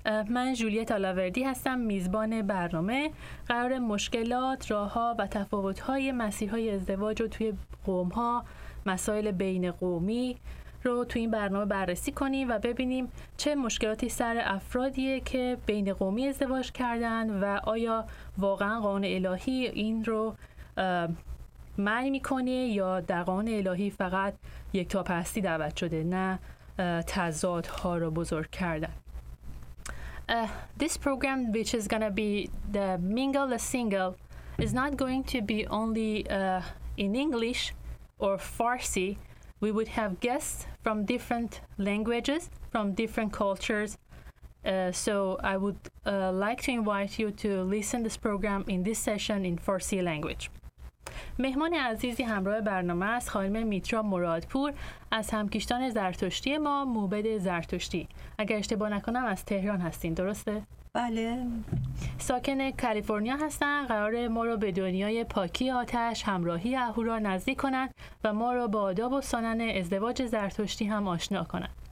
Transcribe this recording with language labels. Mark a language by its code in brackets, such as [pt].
[fa] من جولیت آلاوردی هستم، میزبان برنامه. قرار مشکلات، راهها و تفاوتهای مسیرهای ازدواج رو توی قومها، مسائل بین قومی رو تو این برنامه بررسی کنیم و ببینیم چه مشکلاتی سر افرادیه که بین قومی ازدواج کردن و آیا واقعا قانون الهی این رو معنی میکنه یا در قانون الهی فقط یک تا پستی دعوت شده، نه تضادها رو بزرگ کردن. [en] This program which is gonna be the Mingle the Single is not going to be only in English or Farsi. We would have guests from different languages, from different cultures. So I would like to invite you to listen this program in this session in Farsi language. [fa] مهمان عزیزی همراه برنامه است، خانم میترا مرادپور از همکیشتان زرتشتی ما، موبد زرتشتی. اگر اشتباه نکنم از تهران هستین، درسته؟ بله. ساکن کالیفرنیا هستن، قراره ما رو به دنیای پاکی آتش، همراهی اهورا نزدیک کنن و ما رو با آداب و سنن ازدواج زرتشتی هم آشنا کنن.